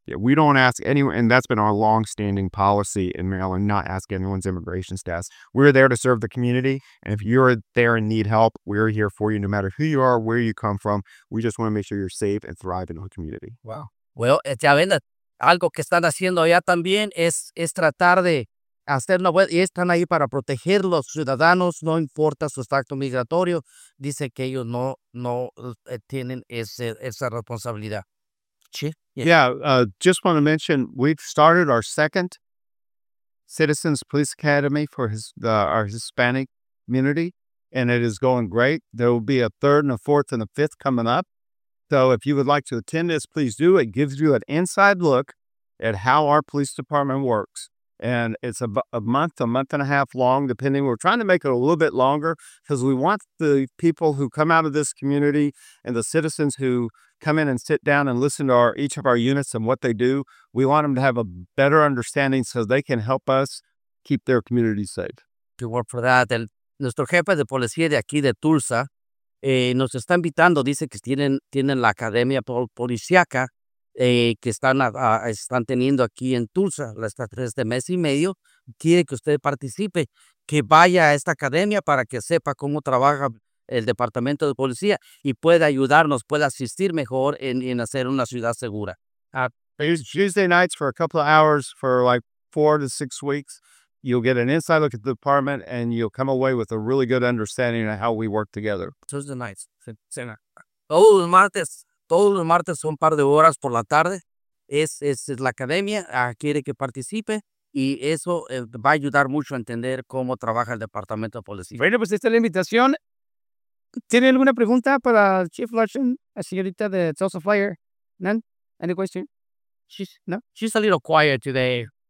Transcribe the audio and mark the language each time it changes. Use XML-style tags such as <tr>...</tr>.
<en>Yeah, we don't ask anyone, and that's been our longstanding policy in Maryland, not ask anyone's immigration status. We're there to serve the community, and if you're there and need help, we're here for you no matter who you are, where you come from. We just want to make sure you're safe and thrive in our community. Wow.</en> <es>Well, ya ven, algo que están haciendo allá también es tratar de hacer una web y están ahí para proteger los ciudadanos, no importa su estatus migratorio. Dice que ellos no tienen esa responsabilidad. Sí.</es> <en>Just want to mention, we've started our second Citizens Police Academy for our Hispanic community, and it is going great. There will be a third and a fourth and a fifth coming up. So if you would like to attend this, please do. It gives you an inside look at how our police department works. And it's a month and a half long, depending. We're trying to make it a little bit longer because we want the people who come out of this community and the citizens who come in and sit down and listen to each of our units and what they do, we want them to have a better understanding so they can help us keep their community safe. To work for that.</en> <es>Nuestro jefe de policía de aquí de Tulsa nos está invitando. Dice que tienen la academia policiaca. Que están teniendo aquí en Tulsa, hasta tres de mes y medio, quiere que usted participe, que vaya a esta academia para que sepa cómo trabaja el departamento de policía y pueda ayudarnos, pueda asistir mejor en hacer una ciudad segura.</es> <en>Tuesday nights for a couple of hours for like 4 to 6 weeks, you'll get an inside look at the department and you'll come away with a really good understanding of how we work together. Tuesday nights,</en> <es>cena. Todos los martes. Todos los martes son un par de horas por la tarde. Es la academia, quiere que participe y eso va a ayudar mucho a entender cómo trabaja el departamento de policía. Bueno, pues esta es la invitación. ¿Tiene alguna pregunta para Chief Larson, la señorita de Tulsa Fire?</es> <en>None? Any question? She's a little quiet today.</en>